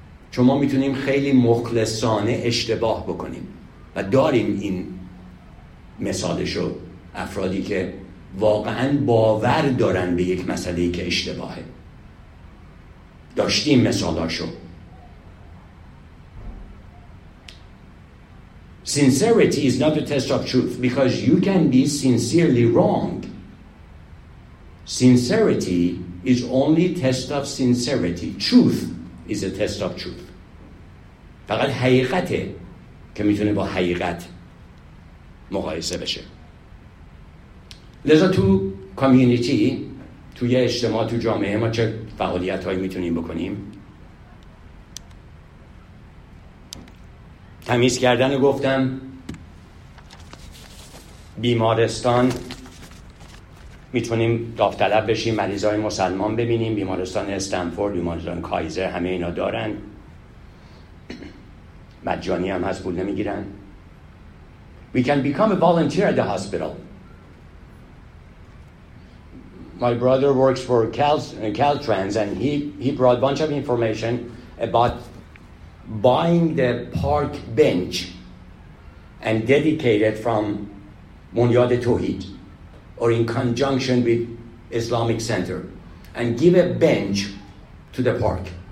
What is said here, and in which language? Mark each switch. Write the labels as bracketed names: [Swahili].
[Persian] چون ما میتونیم خیلی مخلصانه اشتباه بکنیم و داریم این مثالشو، افرادی که واقعا باور دارن به یک مسئلهی که اشتباهه، داشتیم مثالاشو. [English] Sincerity is not a test of truth because you can be sincerely wrong. Sincerity is only test of sincerity. Truth is a test of truth. [Persian] فقط حقیقته که میتونه با حقیقت مقایسه بشه. لذا تو کامیونیتی، تو یه اجتماع، تو جامعه ما چه فعالیت هایی میتونیم بکنیم؟ تمیز کردن رو گفتم، بیمارستان میتونیم داوطلب بشیم، مریضای مسلمان ببینیم، بیمارستان استنفورد، بیمارستان کایزر، همه اینا دارن، مجانی هم هست، پول نمیگیرن. [English] We can become a volunteer at the hospital. My brother works for Caltrans and he brought a bunch of information about buying the park bench and dedicate it from Munyad Tohid or in conjunction with Islamic Center and give a bench to the park.